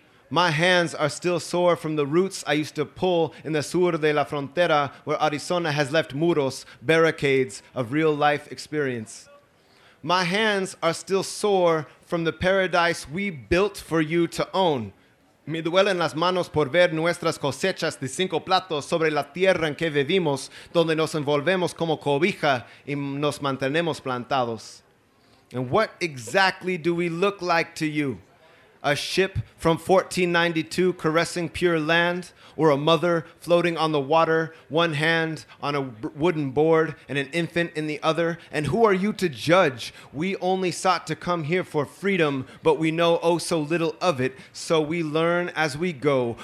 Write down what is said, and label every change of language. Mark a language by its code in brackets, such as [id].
[en] My hands are still sore from the roots I used to pull in the [es] sur de la frontera, [en] where Arizona has left muros, barricades of real life experience. My hands are still sore from the paradise we built for you to own. [es] Me duelen las manos por ver nuestras cosechas de cinco platos sobre la tierra en que vivimos, donde nos envolvemos como cobija y nos mantenemos plantados. [en] And what exactly do we look like to you? A ship from 1492 caressing pure land, or a mother floating on the water, one hand on a wooden board and an infant in the other? And who are you to judge? We only sought to come here for freedom, but we know oh so little of it, so we learn as we go.